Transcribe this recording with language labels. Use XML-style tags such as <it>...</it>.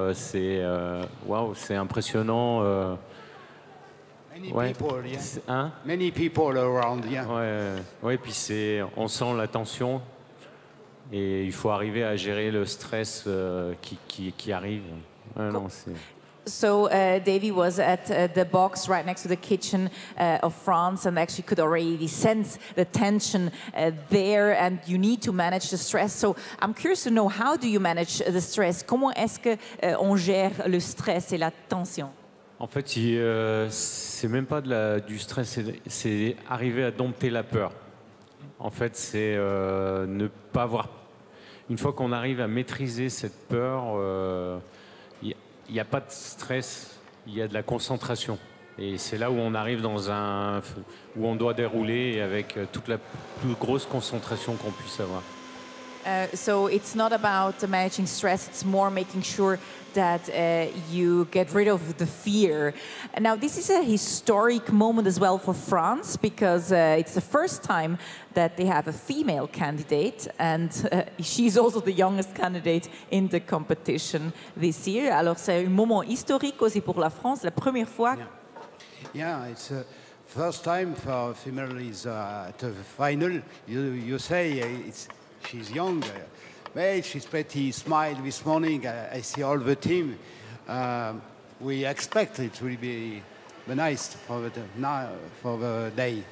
<fr>C'est, waouh, c'est impressionnant.</fr> <en>Many people, yeah. Hein? Many people around, yeah.</en> <fr>Ouais, ouais, puis c'est, on sent la tension. Et il faut arriver à gérer le stress qui arrive. Ah, non, c'est...</fr> <en>So Davy was at the box right next to the kitchen of France and actually could already sense the tension there, and you need to manage the stress. So I'm curious to know, how do you manage the stress?</en> <fr>Comment est-ce qu'on gère le stress et la tension? En fait, c'est même pas du stress, c'est arriver à dompter la peur. En fait, c'est ne pas avoir. Une fois qu'on arrive à maîtriser cette peur, il n'y a pas de stress, il y a de la concentration. Et c'est là où on arrive dans où on doit dérouler avec toute la plus grosse concentration qu'on puisse avoir.</fr> <en>So it's not about managing stress, it's more making sure that you get rid of the fear. Now, this is a historic moment as well for France, because it's the first time that they have a female candidate, and she's also the youngest candidate in the competition this year.</en> <fr>Alors, c'est un moment historique aussi pour la France, la première fois.</fr> <en>Yeah, it's a first time for female is at the final. You say she's young. Well, she's pretty smile this morning. I see all the team. We expect it will be nice for the day.</en>